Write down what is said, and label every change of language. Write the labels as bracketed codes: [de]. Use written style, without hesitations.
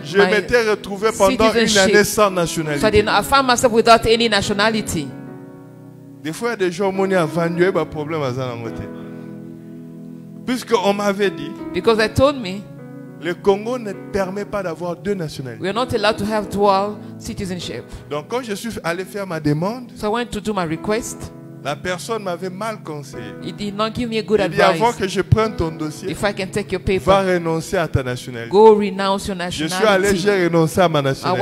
[fr] je m'étais retrouvé pendant une année sans nationalité. [en] So I found myself without any nationality. [fr] Des fois, il y a des gens qui ont vendu leurs problèmes à l'autre. Puisque on m'avait dit, [en] because they told me, [fr] le Congo ne permet pas d'avoir deux nationalités. [en] We are not allowed to have dual citizenship. [fr] Donc quand je suis allé faire ma demande, [en] so I went to do my request. [fr] La personne m'avait mal conseillé. [en] He did not give me a good [fr] il [en] advice. [fr] Il dit avant que je prenne ton dossier, [en] if I can take your paper, [fr] va renoncer à ta nationalité. [en] Go renounce your nationality. [fr] Je suis allé, j'ai renoncé à ma nationalité.